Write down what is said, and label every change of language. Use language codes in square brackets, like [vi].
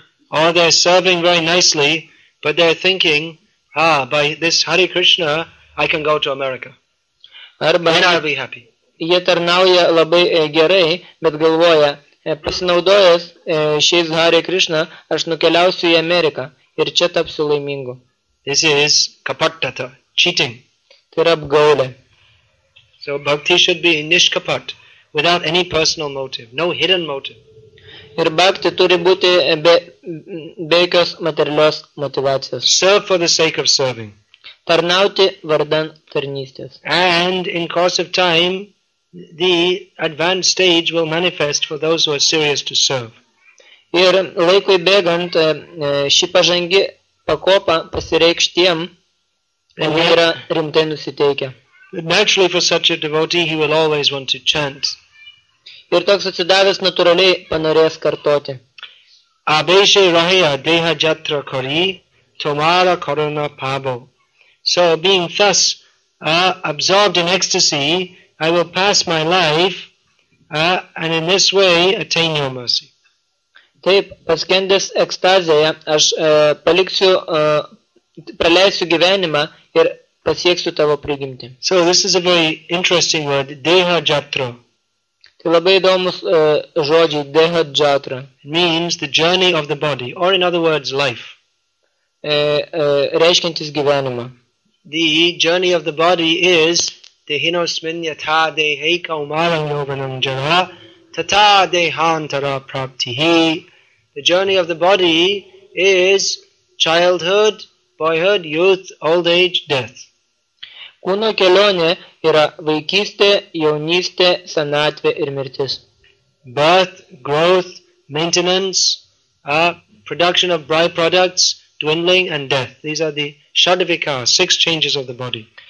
[en] They're serving very nicely, but they're thinking, by this Hare Krishna, I can go to America. [lt] Arba, [en] then I'll be happy. [lt] Jie tarnauja labai gerai, bet galvoja, pasinaudojęs šiais Hare Krishna, aš nukeliausiu į Ameriką ir čia tapsiu laimingu. [en] This is kapattata, cheating. [lt] Tai yra apgaulė. [en] So bhakti should be nishkapat, without any personal motive, no hidden motive. [lt] Ir bhakti turi būti be jokios materialios motivacijos. [en] Serve for the sake of serving. [lt] Tarnauti vardan tarnystės. [en] And in course of time, the advanced stage will manifest for those who are serious to serve. [lt] Ir laikui bėgant, ši pažangi pakopa pasireikš tiem, kurie yra rimtai nusiteikę. [en] Naturally for such a devotee he will always want to chant. [lt] Ir toks atsidavęs natūraliai panorės kartoti. [bn] Abeshe rahaya deha jatra kari tomara karuna pabo. [en] So being thus absorbed in ecstasy, I will pass my life and in this way attain your mercy. [lt] Taip, paskendęs ekstazėje, aš paliksiu, praleisiu gyvenimą ir pasieksiu tavo prigimtį. [en] So this is a very interesting word, deha jatra. [lt] Tai labai įdomus žodžiai, deha jatra. [en] It means the journey of the body, or in other words, life. [lt] Reiškiantis gyvenimą. [en] The journey of the body is [sa] dehinosmin yata deheka umaram yobanam jana tata dehantara praptihi. [en] The journey of the body is childhood, boyhood, youth, old age, death. [lt] Kūno kelionė yra vaikystė, jaunystė, senatvė ir mirtis. [en] Birth, growth, maintenance, production of byproducts, dwindling and death. These are the Shadavikas, six changes of the body.